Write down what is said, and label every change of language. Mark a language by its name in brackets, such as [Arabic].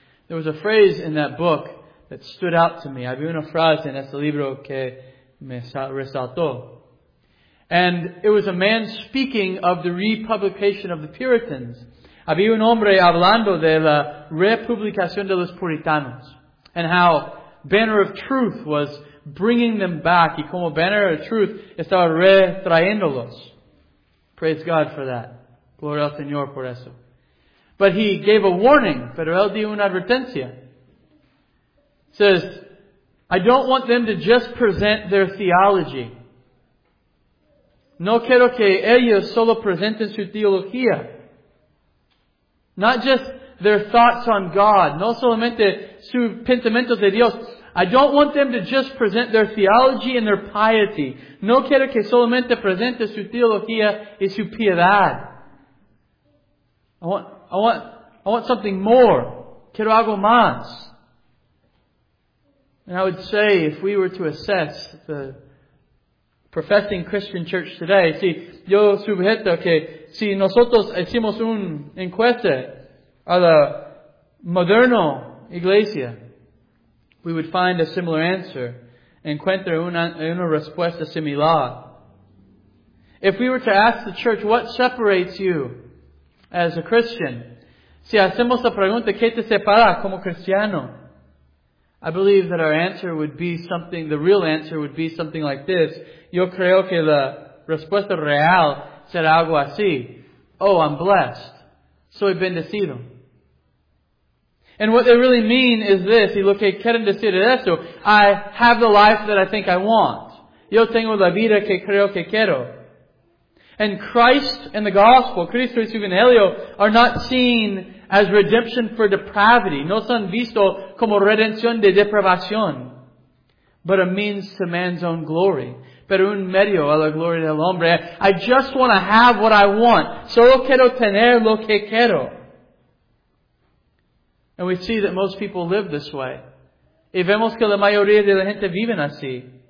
[English] There was a phrase in that book that stood out to me. [Spanish] Había una frase en ese libro que me resaltó. [English] And it was a man speaking of the republication of the Puritans. [Spanish] Había un hombre hablando de la republicación de los puritanos. [English] And how Banner of Truth was bringing them back. [Spanish] Y como Banner of Truth estaba retrayéndolos. [English] Praise God for that. [Spanish] Gloria al Señor por eso. [English] But he gave a warning. [Spanish] Pero él dio una advertencia. [English] Says, I don't want them to just present their theology. [Spanish] No quiero que ellos solo presenten su teología. [English] Not just their thoughts on God. [Spanish] No solamente su pensamientos de Dios. [English] I don't want them to just present their theology and their piety. [Spanish] No quiero que solamente presenten su teología y su piedad. [English] I want something more. [Spanish] Quiero algo más. [English] And I would say, if we were to assess the professing Christian church today, [Spanish] si yo sujeto que si nosotros hicimos una encuesta a la moderna iglesia, [English] we would find a similar answer. [Spanish] Encuentra una respuesta similar. [English] If we were to ask the church, what separates you as a Christian? [Spanish] Si hacemos la pregunta, ¿qué te separa como cristiano? [English] I believe that our answer would be something, the real answer would be something like this. [Spanish] Yo creo que la respuesta real será algo así. [English] Oh, I'm blessed. [Spanish] Soy bendecido. [English] And what they really mean is this. [Spanish] Y lo que quieren decir es esto. [English] I have the life that I think I want. [Spanish] Yo tengo la vida que creo que quiero. [English] And Christ and the gospel, [Spanish] Cristo y su evangelio, [English] are not seen as redemption for depravity. [Spanish] No son visto como redención de depravación. [English] But a means to man's own glory. [Spanish] pero un medio a la gloria del hombre. [English] I just want to have what I want. [Spanish] Solo quiero tener lo que quiero. [English] And we see that most people live this way. [Spanish] Y vemos que la mayoría de la gente viven así.